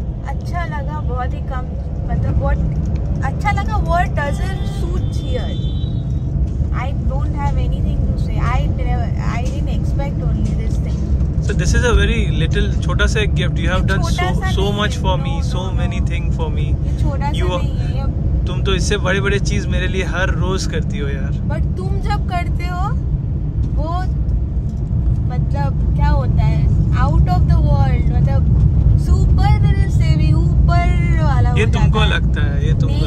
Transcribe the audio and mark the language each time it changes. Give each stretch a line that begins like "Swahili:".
Hindi: अच्छा लगा बहुत ही कम मतलब
English: what
Hindi: अच्छा लगा
English: word doesn't suit here. I don't have anything to say. I didn't expect only this thing. So this is a very little
Hindi: छोटा सा
English: gift. You have done so much for me, so many thing for me.
Hindi: छोटा सा नहीं है. तुम तो इससे बड़े बड़े चीज मेरे लिए हर रोज करती हो यार.
English: But
Hindi: तुम जब करते हो वो मतलब क्या होता है
English: out of the world
Hindi: मतलब सुपर से भी ऊपर वाला. ये तुमको लगता है? ये तुमको